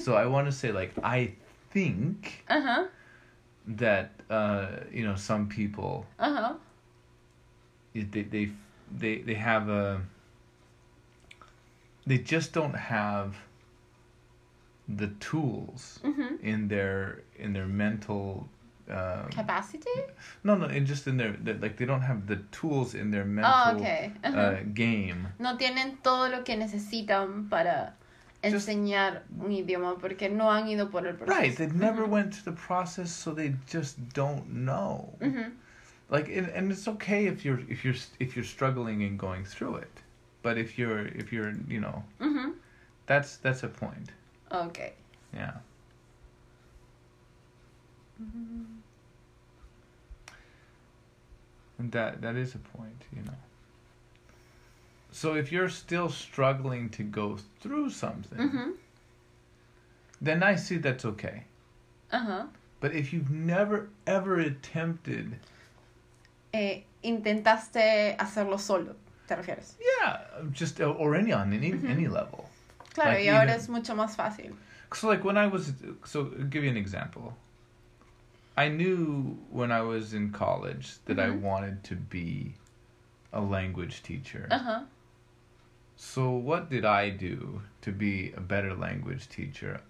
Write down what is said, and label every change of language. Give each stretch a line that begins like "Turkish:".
English: So I want to say like I think that you know some people they have a they just don't have. the tools in their mental capacity. No, and just in their like they don't have the tools in their mental game.
Spanish: No tienen todo lo que necesitan para enseñar un idioma porque no han ido por el proceso.
English: Right, they never went to the process, so they just don't know. Like, and it's okay if you're struggling and going through it, but if you're you know, that's a point. Okay. Yeah. And that is a point, you know. So if you're still struggling to go through something, then I see that's okay. But if you've never ever attempted.
Spanish: Intentaste hacerlo solo, ¿te refieres?
English: Yeah, just or any any level.
Spanish: Claro, like, y ahora es mucho más fácil.
English: So like when I was, so give you an example. I knew when I was in college that I wanted to be a language teacher. So what did I do to be a better language teacher?